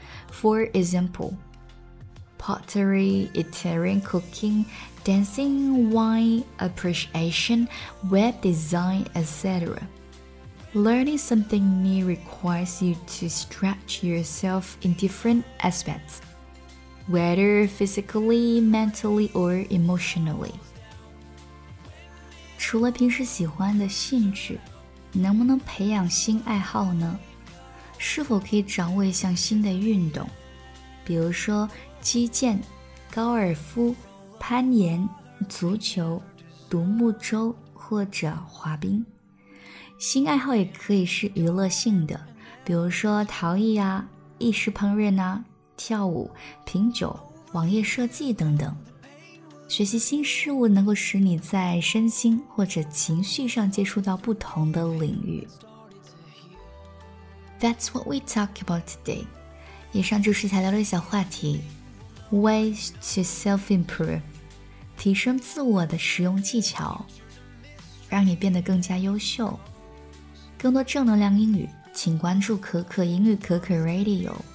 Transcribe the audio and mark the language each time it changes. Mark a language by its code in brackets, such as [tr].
[en] For example, pottery, Italian cooking, dancing, wine appreciation, web design, etc. Learning something new requires you to stretch yourself in different aspects, whether physically, mentally, or emotionally. [zh] 除了平时喜欢的兴趣能不能培养新爱好呢？是否可以掌握一项新的运动？比如说击剑、高尔夫、攀岩、足球、独木舟或者滑冰。新爱好也可以是娱乐性的，比如说陶艺啊、意式烹饪啊、跳舞、品酒、网页设计等等。学习新事物能够使你在身心或者情绪上接触到不同的领域。 [en] That's what we talk about today. [zh] 以上就是材料的小话题 Ways to self-improve. 提升自我的实用技巧，让你变得更加优秀。更多正能量英语，请关注可可英语可可 Radio。